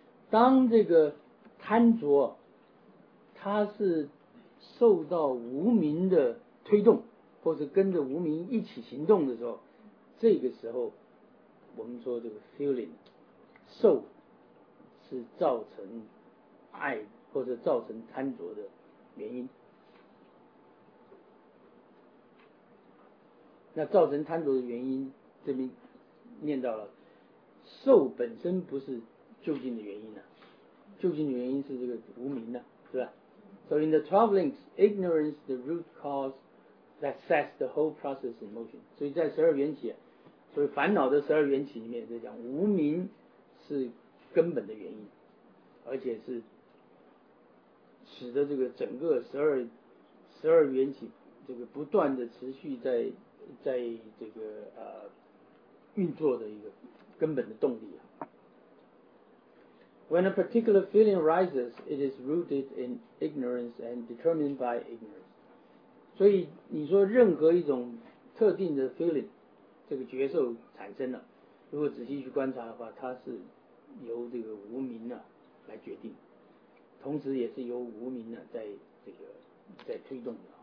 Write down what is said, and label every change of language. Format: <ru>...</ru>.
<zh>当这个贪着，它是受到无明的推动，或是跟着无明一起行动的时候，这个时候我们说这个 feeling 受是造成爱或者造成贪着的原因。那造成贪着的原因这边念到了，受本身不是究竟的原因啊，究竟的原因是这个无明啊，是吧？</zh> <en>So in the 12 links, ignorance the root cause that sets the whole process in motion.</en> <zh>所以在十二缘起，所以烦恼的十二缘起里面在讲，无明是根本的原因，而且是使得这个整个十二缘起这个不断的持续在这个运作的一个根本的动力啊。</zh> <en>When a particular feeling arises, it is rooted in ignorance and determined by ignorance.</en> <zh>所以你说任何一种特定的 feeling, 这个觉受产生了，如果仔细去观察的话，它是由这个无明呢、啊、来决定，同时也是由无明呢、啊、在推动的。</zh>